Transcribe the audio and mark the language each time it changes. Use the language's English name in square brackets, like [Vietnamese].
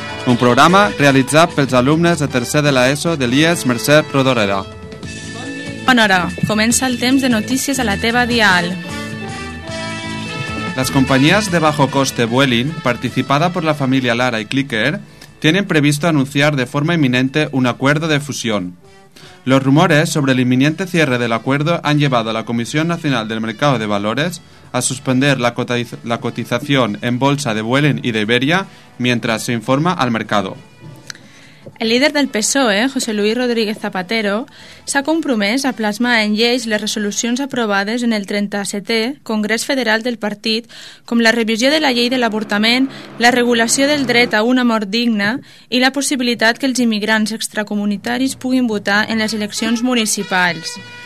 [Catalan] Un programa realitzat pels alumnes de tercer de l'ESO de l'IES Mercè Rodoreda. Bona hora, comença el temps de notícies a la teva dial. Les companyies de [Spanish] bajo coste Vueling, participada por la familia Lara y Clicker, tienen previsto anunciar de forma inminente un acuerdo de fusión. Los rumores sobre el inminente cierre del acuerdo han llevado a la Comisión Nacional del Mercado de Valores a suspender la cotización en bolsa de Vueling y de Iberia mientras se informa al mercado. [Catalan] El líder del PSOE, José Luis Rodríguez Zapatero, s'ha compromès a plasmar en lleis les resolucions aprovades en el 37è Congrés Federal del Partit, com la revisió de la llei de l'avortament, la regulació del dret a una mort digna i la possibilitat que els immigrants extracomunitaris puguin votar en les eleccions municipals.